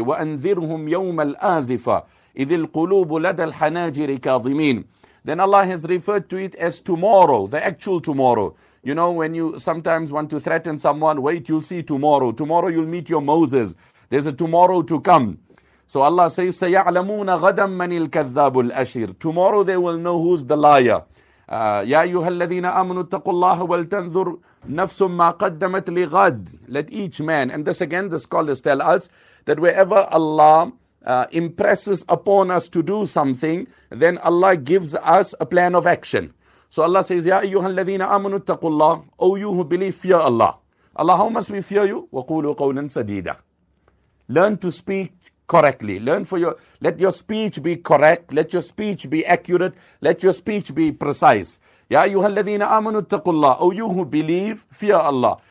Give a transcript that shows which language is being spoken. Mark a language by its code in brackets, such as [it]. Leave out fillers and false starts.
[ar] وَأَنذِرْهُمْ يَوْمَ الْآزِفَةِ إِذِ الْقُلُوبُ لَدَى الْحَنَاجِرِ كَاظِمِينَ. [en] Then Allah has referred to it as tomorrow, the actual tomorrow. You know, when you sometimes want to threaten someone, wait, you'll see tomorrow. Tomorrow you'll meet your Moses. There's a tomorrow to come. So Allah says, [ar] سَيَعْلَمُونَ غَدًا مَنِ الْكَذَّابُ الْأَشِيرُ. [en] Tomorrow they will know who's the liar. [ar] يَا أَيُّهَا الَّذِينَ آمَنُوا اتَّقُوا اللَّهَ وَلْتَنْذُرْ نَفْسٌ مَّا قَدَّمَتْ لِغَدٍ. [en] Let each man, and this again, the scholars tell us that wherever Allah impresses upon us to do something, then Allah gives us a plan of action. So Allah says, [ar] يَا أَيُّهَا الَّذِينَ آمَنُوا اتَّقُوا اللَّهَ. [en] O you who believe, fear Allah. Allah, how must we fear you? [ar] وَقُولُوا قَوْلًا سَدِيدًا. [en] Learn to speak correctly. Let your speech be correct. Let your speech be accurate. Let your speech be precise. [ar] يَا أَيُّهَا الَّذِينَ آمَنُوا اتَّقُوا اللَّهَ. [en] O you who believe, fear Allah.